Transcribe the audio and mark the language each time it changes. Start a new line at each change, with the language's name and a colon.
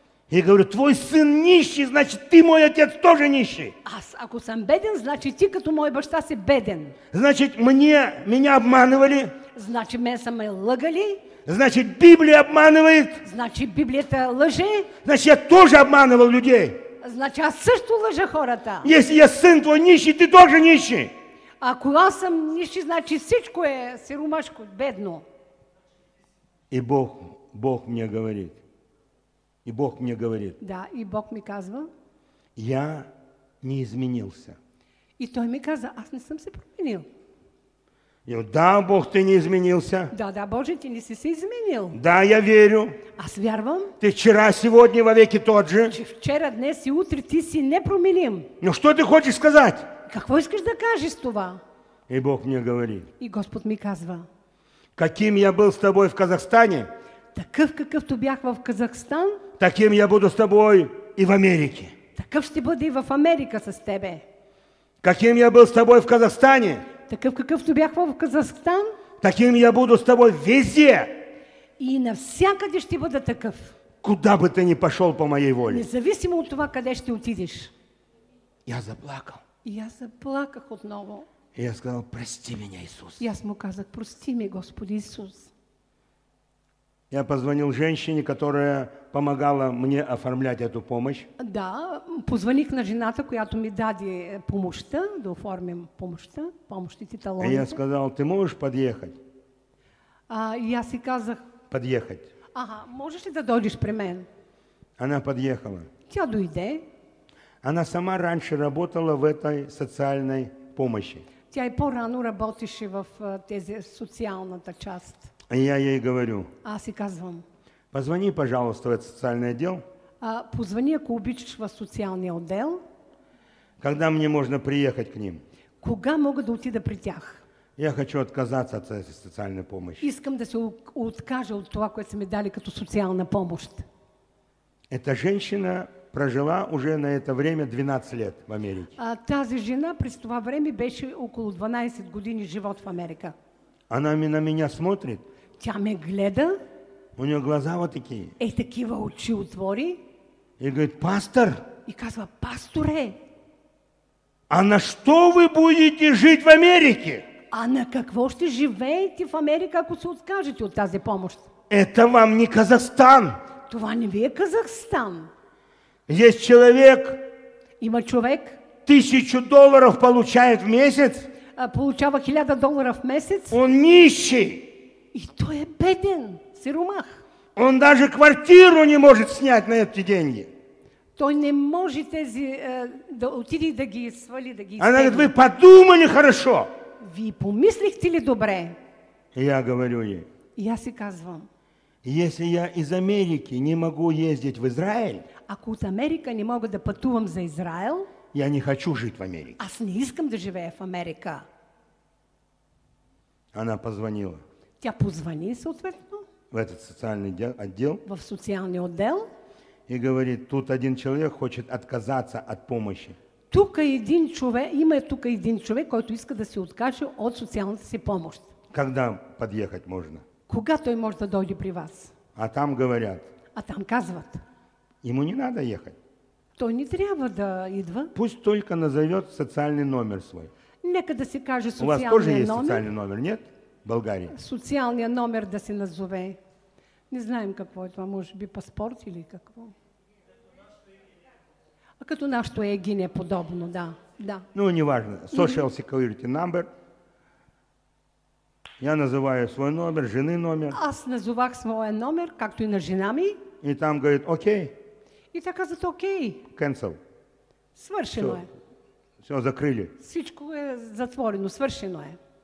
Russian: И говорю, твой сын нищий, значит, ты мой отец тоже нищий.
Bulgarian: Аз, ако съм беден, значи ти като мой баща си беден.
Russian: Значит, мне, меня обманывали.
Bulgarian: Значит, мен са ме лъгали.
Russian: Значит, Библия обманывает.
Bulgarian: Значит, Библията лъже.
Russian: Значит, я тоже обманывал людей.
Bulgarian: Значит, аз също лъжа хората.
Russian: Если я сын твой нищий, ты тоже нищий.
Bulgarian: Ако аз съм нищий, значи всичко е сиромашко, бедно.
Russian: И Бог мне говорит. И Бог мне говорит.
Bulgarian: Да, и Бог ми казва.
Russian: Я не изменился.
Bulgarian: И той ми каза, аз не съм се променил.
Russian: Я говорю, да, Бог, ты не изменился.
Bulgarian: Да, да, Боже, ты не си изменил.
Russian: Да, я верю.
Bulgarian: Аз вярвам.
Russian: Ты вчера, сегодня, вовеки тот же.
Bulgarian: Че вчера, днес и утре ти си непроменим.
Russian: Ну что ты хочешь сказать?
Bulgarian: Какво искаш да кажеш това?
Russian: И Бог мне говорит.
Bulgarian: И Господ ми казва.
Russian: Каким я был с тобой в Казахстане?
Bulgarian: Такъв какъвто бях в Казахстан.
Russian: Таким я буду с тобой и в Америке.
Bulgarian: Такъв ще бъде и в Америка с тебе.
Russian: Каким я был с тобой в Казахстане?
Bulgarian: Такъв какъвто бях в Казахстан.
Russian: Таким я буду с тобой везде.
Bulgarian: И навсякъде ще бъда такъв.
Russian: Куда бы ты ни пошел по моей воле.
Bulgarian: Независимо от това къде ще отидеш.
Russian: Я заплакал.
Bulgarian: И аз заплаках отново.
Russian: И я сказал, прости меня, Иисус.
Bulgarian: И аз му казах, прости ми, Господи Иисус.
Russian: Я позвонил женщине, которая помогала мне оформлять эту помощь.
Bulgarian: Да, позвоних на жената, която ми даде помощта, да оформим помощта, помощните талоните.
Russian: И я сказал, ты можешь подъехать?
Bulgarian: И аз си казах.
Russian: Подъехать.
Bulgarian: Ага, можешь ли да дойдеш при мен?
Russian: Она подъехала.
Bulgarian: Тя дойде.
Russian: Она сама раньше работала в этой социальной помощи.
Bulgarian: Тя и по-рано работеше в тези социалната част.
Russian: И я ей говорю.
Bulgarian: Аз и казвам.
Russian: Позвони, пожалуйста, в этот социальный отдел.
Bulgarian: Позвони, ако обичаш, в социалния отдел.
Russian: Когда мне можно приехать к ним?
Bulgarian: Кога мога да отида при тях?
Russian: Я хочу отказаться от этой социальной помощи.
Bulgarian: Искам да се откажа от това, което са ми дали като социална помощ.
Russian: Эта женщина прожила уже на это время 12 лет в Америке.
Bulgarian: Тази жена през това време беше около 12 години живот в Америка.
Russian: Она на меня смотрит.
Bulgarian: Тя ме гледа.
Russian: У нее глаза вот такие.
Bulgarian: Ей такива очи отвори.
Russian: И говорит, пастор.
Bulgarian: И казва, пасторе.
Russian: А на что вы будете жить в Америке?
Bulgarian: А на какво ще живеете в Америка, ако се откажете от тази помощ?
Russian: Это вам не Казахстан.
Bulgarian: Това не ви е Казахстан.
Russian: Есть человек.
Bulgarian: Има човек.
Russian: $1000 получает в месяц.
Bulgarian: Получава $1000 в месец.
Russian: Он нищий.
Bulgarian: И той е беден, сиромах.
Russian: Он даже квартиру не может снять на эти деньги.
Bulgarian: Той не може тези да отиди да ги свали, да ги изтегли.
Russian: Она говорит, вы подумали хорошо.
Bulgarian: Ви помислихте ли добре?
Russian: Я говорю ей.
Bulgarian: И аз си казвам.
Russian: Если я из Америки не могу ездить в Израиль.
Bulgarian: Ако от Америка не мога да пътувам за Израел.
Russian: Я не хочу жить в Америке.
Bulgarian: Аз не искам да живея в Америка.
Russian: Она позвонила.
Bulgarian: Тя позвони съответно.
Russian: В этот социальный отдел.
Bulgarian: В социалния отдел.
Russian: И говорит, тут один человек хочет отказаться от помощи.
Bulgarian: Тук един човек, има тук един човек, който иска да се откаже от социалната си помощ.
Russian: Когда подъехать можно?
Bulgarian: Кога той може да дойде при вас?
Russian: А там говорят.
Bulgarian: А там казват.
Russian: Ему не надо ехать.
Bulgarian: Той не трябва да идва.
Russian: Пусть только назовет социальный номер свой.
Bulgarian: Нека да си каже социалния номер.
Russian: У вас тоже есть социальный номер, нет? В Болгарии.
Bulgarian: Социалния номер да си назове. Не знаем какво е това, може би паспорт или какво. А като нашето егине подобно, да.
Russian: Ну, неважно.
English: Social Security Number.
Russian: Я называю свой номер, жены номер.
Bulgarian: Аз назовах своя номер, както и на жена ми.
Russian: И там говорит, окей.
Bulgarian: И так казват, окей.
English: Cancel.
Bulgarian: Свършено е.
Russian: Все, закрыли.
Bulgarian: Всичко е затворено, свършено е.